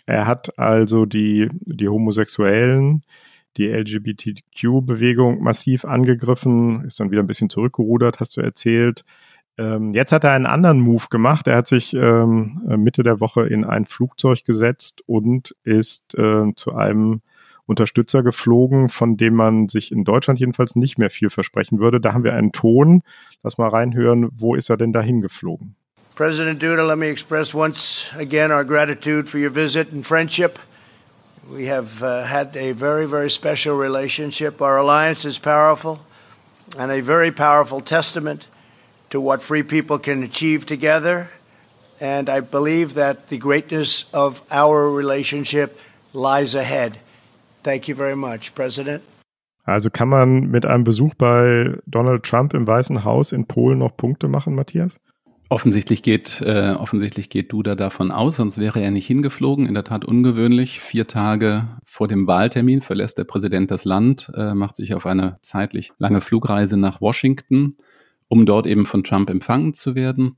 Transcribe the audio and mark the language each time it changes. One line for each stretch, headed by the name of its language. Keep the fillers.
German: er hat also die, die Homosexuellen die LGBTQ-Bewegung massiv angegriffen, ist dann wieder ein bisschen zurückgerudert, hast du erzählt. jetzt hat er einen anderen Move gemacht. Er hat sich Mitte der Woche in ein Flugzeug gesetzt und ist zu einem Unterstützer geflogen, von dem man sich in Deutschland jedenfalls nicht mehr viel versprechen würde. Da haben wir einen Ton. Lass mal reinhören. Wo ist er denn dahin geflogen?
English: President Duda, let me once again our gratitude for your visit and friendship. We have had a very, very special relationship. Our alliance is powerful and a very powerful testament to what free people can achieve together. And I believe that the greatness of our relationship lies ahead. Thank you very much, President.
German: Also kann man mit einem Besuch bei Donald Trump im Weißen Haus in Polen noch Punkte machen, Matthias? Offensichtlich geht, äh, offensichtlich geht Duda davon aus, sonst wäre er nicht hingeflogen. In der Tat ungewöhnlich. Vier Tage vor dem Wahltermin verlässt der Präsident das Land, äh, macht sich auf eine zeitlich lange Flugreise nach Washington, um dort eben von Trump empfangen zu werden.